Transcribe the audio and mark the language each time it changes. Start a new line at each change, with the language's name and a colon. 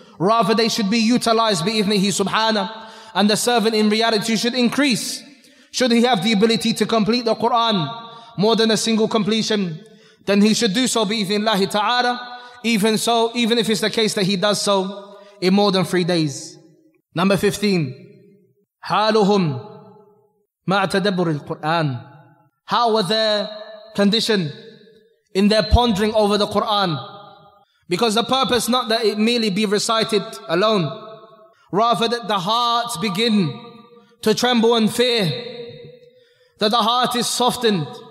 English: Rather, they should be utilized bi'ithnihi subhanah. And the servant in reality should increase, should he have the ability to complete the Quran more than a single completion, then he should do so bi'ithnillahi ta'ala. Even so, even if it's the case that he does so in more than 3 days. Number 15,
Arabic: حالهم مع تدبر القرآن.
English: How were their condition in their pondering over the Quran? Because the purpose not that it merely be recited alone, rather that the hearts begin to tremble and fear, that the heart is softened,